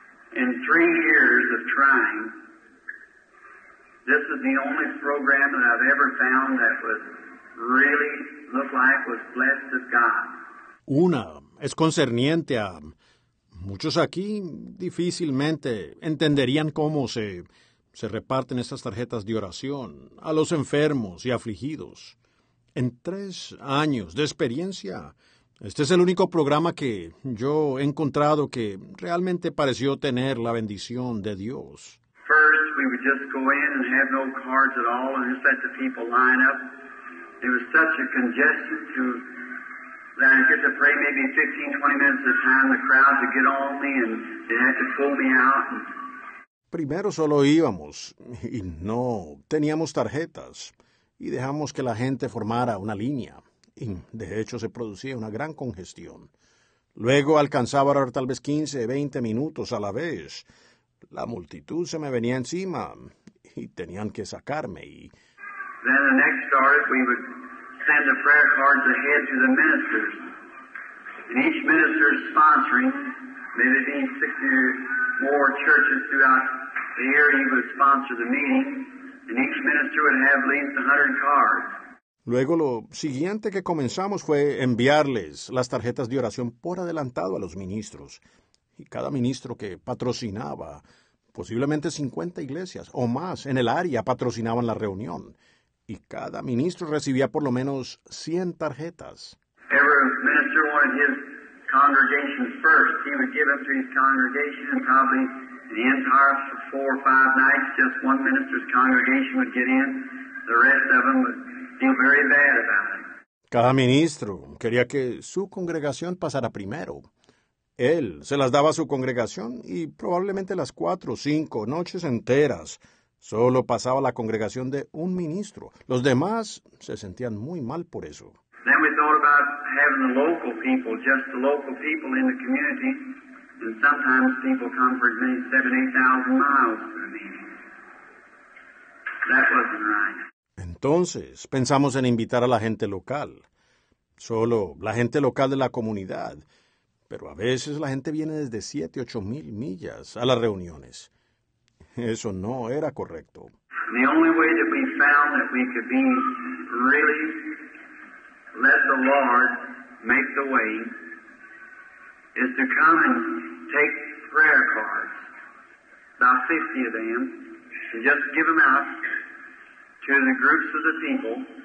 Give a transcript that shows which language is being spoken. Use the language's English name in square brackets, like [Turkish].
[English] In 3 years of trying, this is the only program that I've ever found that was really looked like was blessed of God. [Spanish] Una es concerniente a muchos aquí difícilmente entenderían cómo se reparten estas tarjetas de oración a los enfermos y afligidos. En 3 años de experiencia, este es el único programa que yo he encontrado que realmente pareció tener la bendición de Dios. [English] First, we would just go in and have no cards at all and just let the people line up. It was such a congestion that I'd get to pray maybe 15, 20 minutes at a time. The crowd would get on me and they had to pull me out. [Spanish] Primero solo íbamos, y no, teníamos tarjetas, y dejamos que la gente formara una línea, y de hecho se producía una gran congestión. Luego alcanzaba ahora tal vez 15, 20 minutos a la vez. La multitud se me venía encima, y tenían que sacarme, y... [English] Then the next started, we would send the prayer cards ahead to the ministers. And each minister is sponsoring, maybe being 60 years... more churches throughout the year, he would sponsor the meeting, and each minister would have at least 100 cards. [Spanish] Luego, lo siguiente que comenzamos fue enviarles las tarjetas de oración por adelantado a los ministros. Y cada ministro que patrocinaba, posiblemente 50 iglesias o más en el área patrocinaban la reunión. Y cada ministro recibía por lo menos 100 tarjetas. [English] Every minister wanted his congregation first. He would give it to his congregation and probably the entire 4 or 5 nights, just one minister's congregation would get in. The rest of them would feel very bad about it. [Spanish] Cada ministro quería que su congregación pasara primero. Él se las daba a su congregación y probablemente las 4 o 5 noches enteras solo pasaba la congregación de un ministro. Los demás se sentían muy mal por eso. [English] Then we thought about having the local people, just the local people in the community. And sometimes people come for as many 7,000 or 8,000 miles for the meeting. That wasn't right. [Spanish] Entonces, pensamos en invitar a la gente local. Solo la gente local de la comunidad. Pero a veces la gente viene desde [English] 7,000 or 8,000 miles [Spanish] a las reuniones. Eso no era correcto. [English] And the only way that we found that we could be really... let the Lord make the way is to come and take prayer cards, about 50 of them, and just give them out to the groups of the people.